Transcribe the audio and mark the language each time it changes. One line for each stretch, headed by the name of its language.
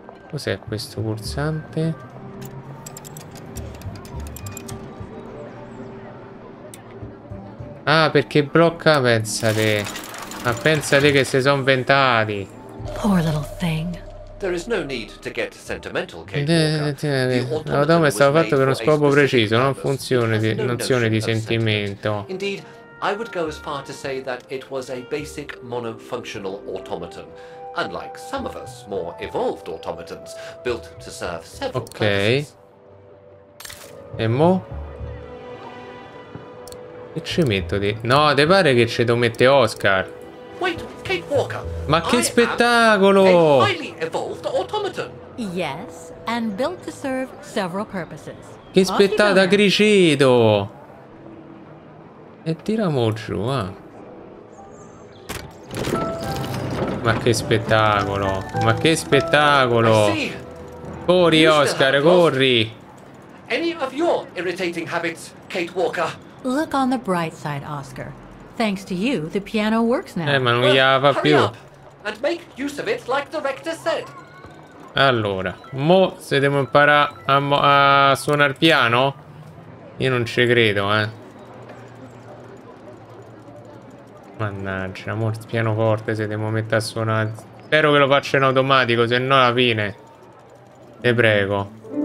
Italian: Cos'è questo pulsante? Ah, perché blocca? Pensate. Ma pensate che si sono inventati.
English: Poor little thing. There is no need to get sentimental,
Italian: l'automa è stato fatto per uno scopo preciso, non funzione di nozione di sentimento.
English: Indeed, I would go as far to say that it was a basic monofunctional automaton, unlike some of us more evolved automatons built to serve several purposes.
Italian: E mo? E ci metto di... No, te pare che ci dovete Oscar.
English: Wait, Kate Walker.
Italian: Ma che spettacolo!
English: A highly evolved automaton. Yes, and built to serve several purposes.
Italian: Che spettacolo, da Criceto! E tiramo giù, Ma che spettacolo! Ma che spettacolo! Corri, Oscar, corri!
English: Any of your irritating habits, Kate Walker? Look on the bright side, Oscar. Thanks to you, the piano works now.
Italian: Ma non gliela fa più.
English: And make use of it like the rector said.
Italian: Allora, mo se devo imparare a suonare piano? Io non ci credo, Mannaggia, mo il pianoforte se devo mettere a suonare. Spero che lo faccia in automatico, se no alla fine. Te prego.